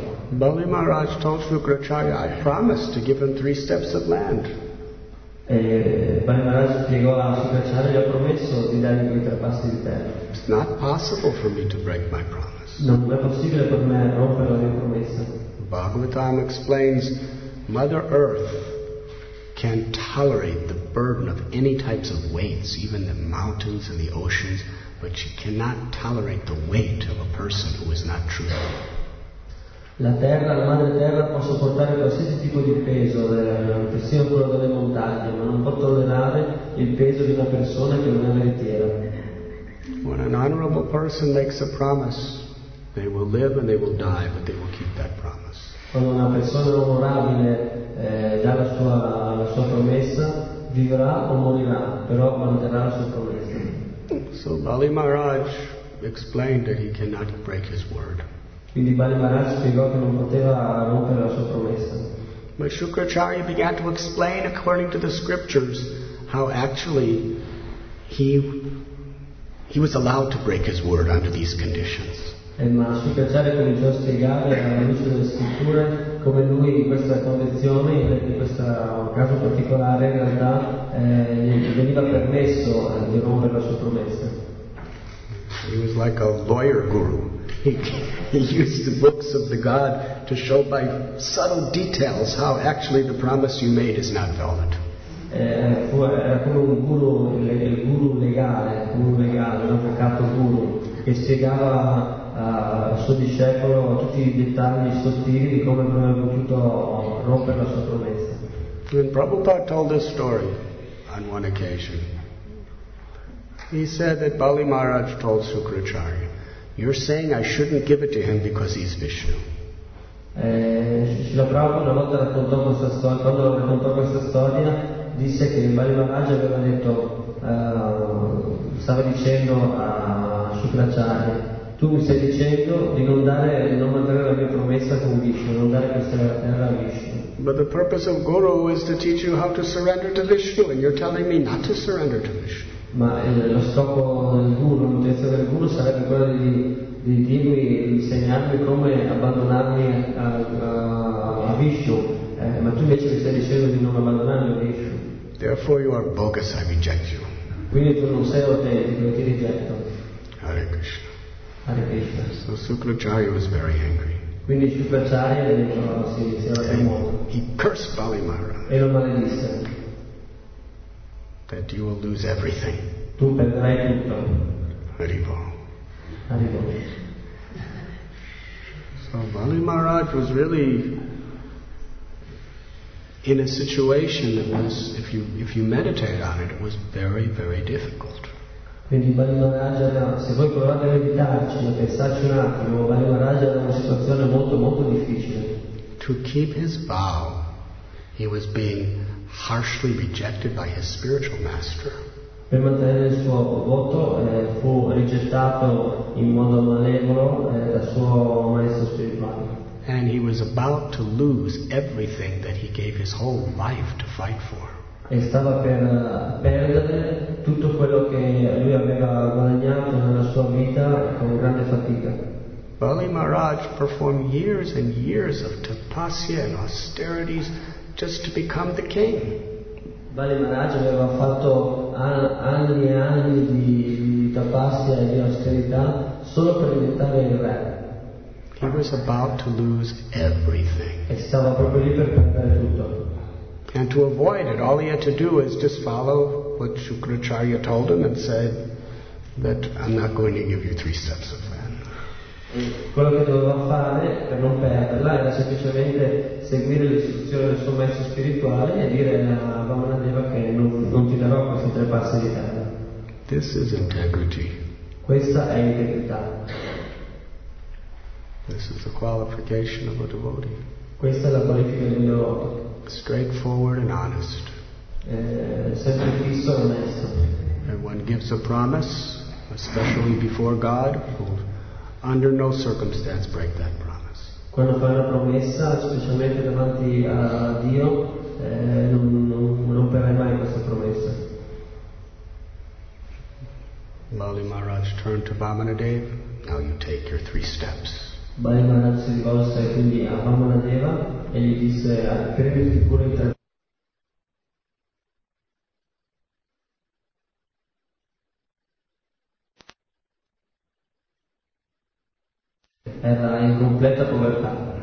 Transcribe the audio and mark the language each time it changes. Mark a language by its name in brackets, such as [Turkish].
[English] Bali Maharaj told Shukracharya, I promised to give him three steps of land. [Italian] Bali Maharaj spiegò a Shukracharya, ho promesso di dargli quei tre passi di terra. [English] It's not possible for me to break my promise. [Italian] Non è possibile per me rompere la mia promessa. [English] Bhagavatam explains, Mother Earth can tolerate the burden of any types of weights, even the mountains and the oceans, but she cannot tolerate the weight of a person who is not truthful. [Italian] La terra, la madre terra, può sopportare qualsiasi tipo di peso, persino quello delle montagne, ma non può tollerare il peso di una persona che non è veritiera. [English] When an honorable person makes a promise, they will live and they will die, but they will keep that promise. [Italian] Quando una persona onorabile dà la sua promessa, vivrà o morirà, però manterrà la sua promessa. [English] So Bali Maharaj explained that he cannot break his word. [Italian] Quindi Bali Maharaj spiegò che non poteva rompere la sua promessa. [English] Ma Shukracharya began to explain according to the scriptures how actually he was allowed to break his word under these conditions. [Italian] E ma Shukracharya cominciò a spiegare alla luce delle scritture come lui in questa condizione, in questo caso particolare, in realtà veniva permesso di rompere la sua promessa. [English] He was like a lawyer guru. He used the books of the God to show by subtle details how actually the promise you made is not valid. [Italian] Era come un guru, il guru legale, un avvocato guru, che spiegava al suo discepolo tutti i dettagli sottili di come avrebbe potuto rompere la sua promessa. [English] When Prabhupada told this story on one occasion, he said that Bali Maharaj told Shukracharya, "You're saying I shouldn't give it to him because he's Vishnu." [Italian] Srila Prabhupada una volta raccontò questa storia, quando raccontò questa storia, disse che Bali Maharaj aveva detto, stava dicendo a Shukracharya, "Tu mi stai dicendo di non dare, di non mantenere la mia promessa con Vishnu, non dare questa terra a Vishnu." [English] But the purpose of Guru is to teach you how to surrender to Vishnu, and you're telling me not to surrender to Vishnu. [Italian] Ma lo scopo del guru, l'intenzione del guru sarebbe quella di dirmi, di insegnarmi come abbandonarmi a Vishnu, ma tu invece mi stai dicendo di non abbandonarmi a Vishnu. [English] Therefore you are bogus, I reject you. [Italian] Quindi tu non sei autentico, ti rigetto. [Sanskrit] Hare Krishna. Hare Krishna. [English] So Shukracharya was very angry. [Italian] Quindi Shukracharya si era molto. [English] He cursed Bali Maharaj. [Italian] E lo maledisse. [English] That you will lose everything. [Italian] Tu perderai tutto. Arrivo. Arrivo. [English] So Bali Maharaj was really in a situation that was, if you meditate on it, it was very, very difficult. [Italian] Quindi Bali Maharaj, se voi provate a meditarci, pensarci un attimo, Bali Maharaj era una situazione molto, molto difficile. [English] To keep his vow, he was being harshly rejected by his spiritual master. [Italian] Per mantenere il suo voto fu rigettato in modo malevolo dal suo maestro spirituale. [English] And he was about to lose everything that he gave his whole life to fight for. [Italian] E stava per perdere tutto quello che lui aveva guadagnato nella sua vita con grande fatica. [English] Bali Maharaj performed years and years of tapasya and austerities just to become the king. [Italian] Bali Maharaj aveva fatto anni e anni di tapasya e di austerità solo per diventare il re. [English] He was about to lose everything. [Italian] E stava proprio lì per perdere tutto. [English] And to avoid it, all he had to do is just follow what Shukracharya told him and said that I'm not going to give you three steps of land. [Italian] Quello che doveva fare per non perderla era semplicemente seguire l'istruzione del suo maestro spirituale e dire a Vamanadeva che non ti darò questi tre passi di terra. [English] This is integrity. [Italian] Questa è integrità. [English] This is the qualification of a devotee. [Italian] Questa è la qualifica del mio devoto. [English] Straightforward and honest. [Italian] Sempre fisso e onesto. [English] And one gives a promise, especially before God, under no circumstance break that promise. [Italian] Quando fai una promessa, specialmente davanti a Dio, non perderai mai questa promessa. [English] Bali Maharaj turned to Vamanadeva. Now you take your three steps. [Italian] Bali Maharaj si rivolse quindi a Vamanadeva e gli disse: "Prenditi pure il tre." Era in completa povertà.